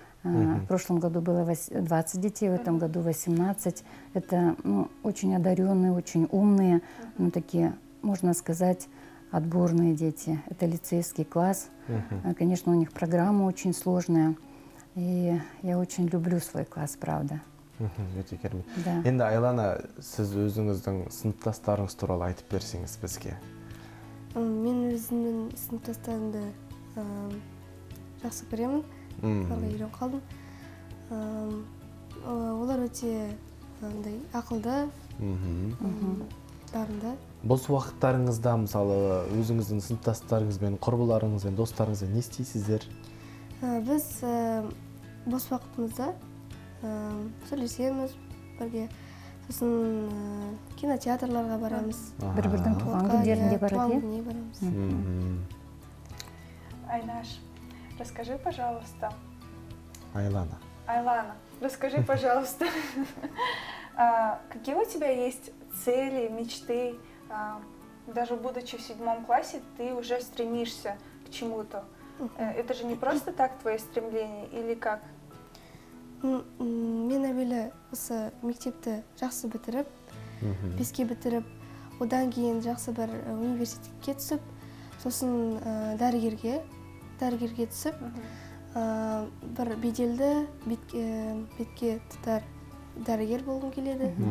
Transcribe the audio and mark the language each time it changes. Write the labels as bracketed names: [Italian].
[Russian] В прошлом году было 20 детей, в этом году 18. Это очень одаренные, очень умные, такие, можно сказать, отборные дети. Это лицейский класс. Конечно, у них программа очень сложная. И я очень люблю свой класс, правда. [Kazakh] Өте керемет. Енді Айлана, сіз өзіңіздің сыныптастарыңыз туралы айтып берсеңіз бізге. Мен өзімнің сыныптастарымды жақсы көремін. Қалай үйреніп қалдым. Олар өте ақылды, дарынды. Бос уақыттарыңызда, мысалы, өзіңіздің сыныптастарыңызбен, құрбыларыңызбен, достарыңызбен не істейсіздер? Біз бос уақытымызда сөйлесеміз бірге, сосын кинотеатрларға барамыз. Бір-бірдің туған күндерінде барамыз. [Russian] Айнаш, расскажи, пожалуйста. Айлана. Айлана, расскажи, пожалуйста, какие у тебя есть цели, мечты? Даже будучи в седьмом классе, ты уже стремишься чему-то. Это же не просто так твое стремление, или как? [Kazakh] Мен әуелі осы мектепті жақсы бітіріп, беске бітіріп, одан кейін жақсы бір университетке түсіп, сосын дәрігерге түсіп, бір беделді бетке тұтар дәрігер болғым келеді.